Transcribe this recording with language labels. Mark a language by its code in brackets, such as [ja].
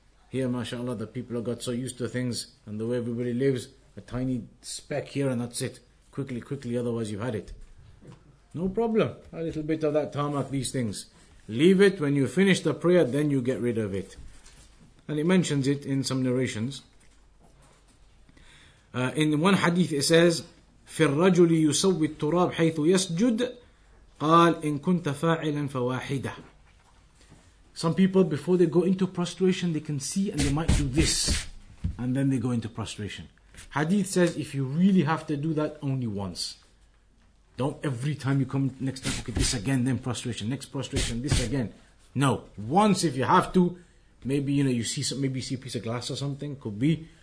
[en] Here, mashallah, the people have got so used to things and the way everybody lives, a tiny speck here and that's it. Quickly, otherwise you've had it. No problem. A little bit of that tarmac, these things. Leave it. When you finish the prayer, then you get rid of it. And it mentions it in some narrations. In one hadith it says, [ar] فِي الرَّجُلِ يُسَوِّي التُّرَاب حَيْثُ يَسْجُدْ قَالْ إِن كُنْتَ فَاعِلًا فَوَاحِدًا. [en] Some people, before they go into prostration, they can see and they might do this. And then they go into prostration. Hadith says, if you really have to do that, only once. Don't every time you come next time, okay, this again, then prostration, next prostration, this again. No, once if you have to, maybe you know you see some, maybe you see a piece of glass or something, could be.